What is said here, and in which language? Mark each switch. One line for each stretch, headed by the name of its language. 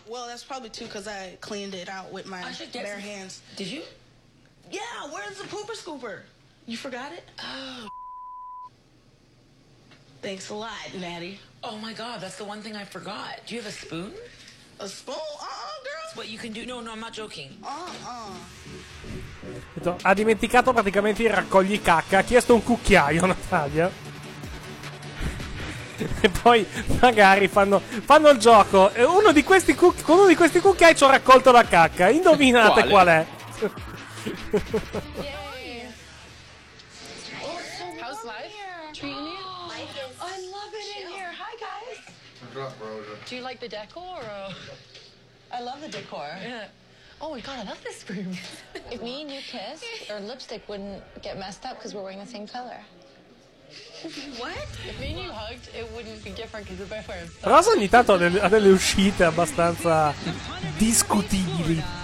English: Well, that's probably too, because I cleaned it out with my bare hands. Did you? Yeah, where's the pooper scooper? You forgot it? Oh, thanks a lot, Natty. Oh, my God, that's the one thing I forgot. Do you have a spoon? A spoon? Girl. It's what you can do. No, no, I'm not joking.
Italian: Ha dimenticato praticamente il raccoglicacca. Ha chiesto un cucchiaio, Natalia. E poi magari fanno il gioco. Uno di questi cucchiai ci ho raccolto la cacca. Indovinate qual è?
English: How's life? Trini? Oh, I'm loving it here. Hi guys. What's up, Rosa? Do you like the decor? I love the decor. Yeah. Oh my god, I love this room. If me and you kissed, our lipstick wouldn't get messed up because we're wearing the same color. What? If me and you hugged, it wouldn't be different because we're both wearing.
Italian: Però ogni tanto ha delle uscite abbastanza discutibili.